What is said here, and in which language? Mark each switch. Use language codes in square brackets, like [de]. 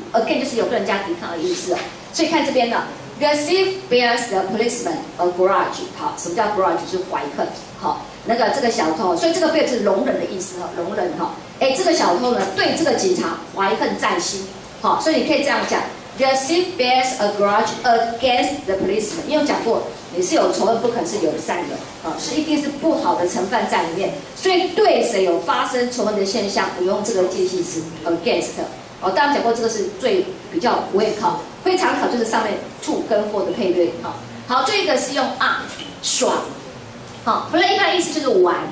[zh] Again 就是有跟人家抵抗的意思。所以看这边呢 ， [en] the thief bears the policeman a grudge。 [zh] 好，什么叫 grudge？ 就是怀恨。好，那个这个小偷，所以这个 bear 是容忍的意思，容忍哈。哎，这个小偷呢，对这个警察怀恨在心。好，所以你可以这样讲。 [en] The thief bears a grudge against the policeman。 [zh] 因为我讲过，你是有仇恨，不可能是有善的，是一定是不好的成分在里面。所以对谁有发生仇恨的现象，我用这个介系词 against。哦，当然讲过，这个是最比较不会考，会常考就是上面 to 跟 for 的配对。好，这个是用 on 爽。好 ，play 它的意思就是玩。